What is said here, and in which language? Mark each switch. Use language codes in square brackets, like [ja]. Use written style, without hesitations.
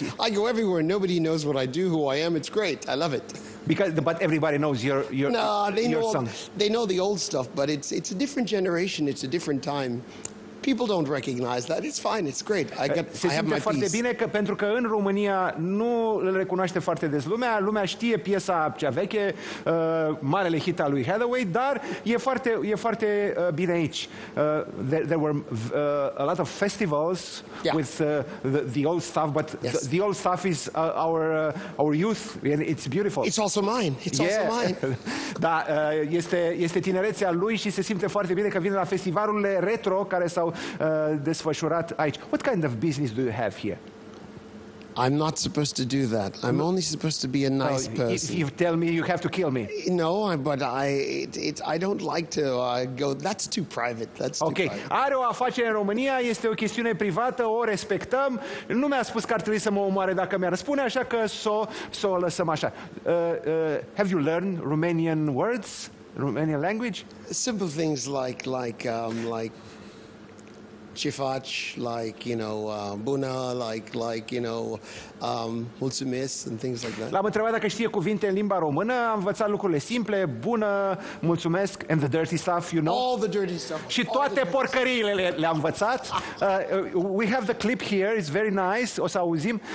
[en] I go everywhere and nobody knows what I do, who I am. It's great. I love it. But everybody knows your no, they your know song. They know the old stuff, but it's a different generation, it's a different time. People don't recognize that. It's fine. It's great. I have my piece. [ro] Foarte bine că pentru că în România nu îl recunoaște foarte des lumea. Lumea știe piesa cea veche, marele hit al lui Hathaway, dar e foarte bine aici. [en] There were a lot of festivals yeah. with the old stuff, but yes. the old stuff is our youth and it's beautiful. It's also mine. It's yeah. also mine. [ro] Da, este tinerețea lui și se simte foarte bine că vine la festivalurile retro care s-au desfășurat aici. [en] What kind of business do you have here? I'm not supposed to do that. I'm only supposed to be a nice person. You tell me you have to kill me. No, but I don't like to go. That's too private. That's too okay. private. [ro] Are o afacere în România, este o chestiune privată, o respectăm. Nu mi-a spus că ar trebui să mă omoare dacă mi-ar spune, așa că s-o lăsăm așa. [en] Have you learned Romanian words? Romanian language? Simple things like [ro] ce faci, [en] like, you know, bună, like, you know, mulțumesc, and things like that. [ro] L-am întrebat dacă știe cuvinte în limba română, am învățat lucrurile simple, bună, mulțumesc, [en] and the dirty stuff, you know. All the dirty stuff. [ro] Și toate porcăriile le-am învățat. [en] We have the clip here, it's very nice, [ro] o să auzim.